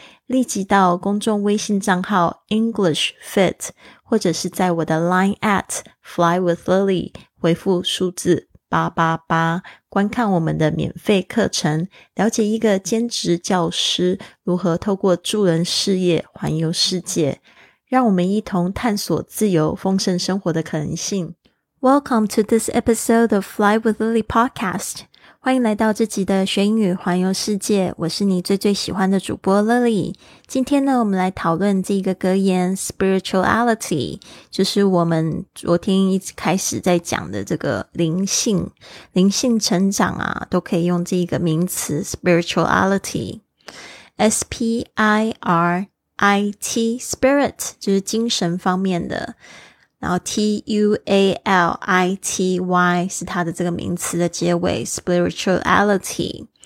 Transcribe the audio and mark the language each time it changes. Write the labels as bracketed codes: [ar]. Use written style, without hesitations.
[zh] 立即到公众微信账号 EnglishFit 或者是在我的 Line at FlyWithLily 回复数字888，观看我们的免费课程，了解一个兼职教师如何透过助人事业环游世界，让我们一同探索自由丰盛生活的可能性。 [en] Welcome to this episode of Fly with Lily podcast. [zh] 欢迎来到这集的学英语环游世界，我是你最最喜欢的主播 Lily。今天呢，我们来讨论这个格言 Spirituality， 就是我们昨天一直开始在讲的这个灵性，灵性成长啊，都可以用这个名词 Spirituality， S-P-I-R-I-T spirit 就是精神方面的，然后 T-U-A-L-I-T-Y 是它的这个名词的结尾 Spirituality。